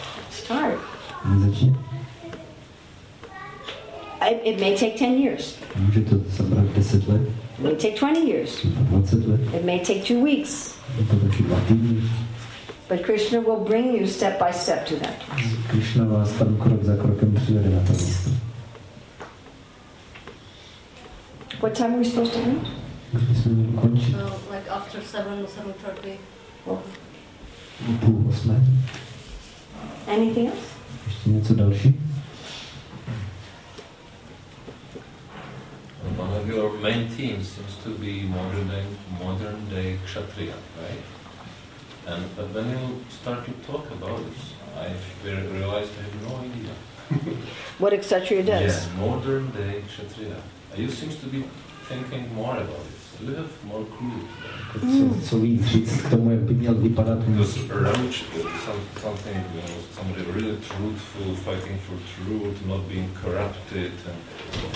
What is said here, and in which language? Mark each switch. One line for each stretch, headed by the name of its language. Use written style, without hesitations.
English: Start.
Czech: Začni.
English: It may take 10 years.
Czech: Může to zabrat 10 let.
English: It may take 20 years.
Czech: 20 let.
English: It may take 2 weeks.
Czech: To taky 2 týdny.
English: But Krishna will bring you step by step to that.
Czech: Krishna vás tam krok za krokem přivede na to místo.
English: What time are we supposed to end?
Czech: Když jsme měli končit.
English: Well, like after 7:30.
Czech: Půl osmé.
English: Anything else?
Czech: Ještě něco další?
English: One of your main themes seems to be modern day kshatriya, right? And but when you start to talk about this, I realized I have no idea. What a kshatriya does? Yes, modern day kshatriya. You seem to be thinking more about it. A little more clue.
Czech: Co víc říct k tomu, jak by měl vypadat
English: something, you know, really truthful, fighting for truth, not being corrupted, and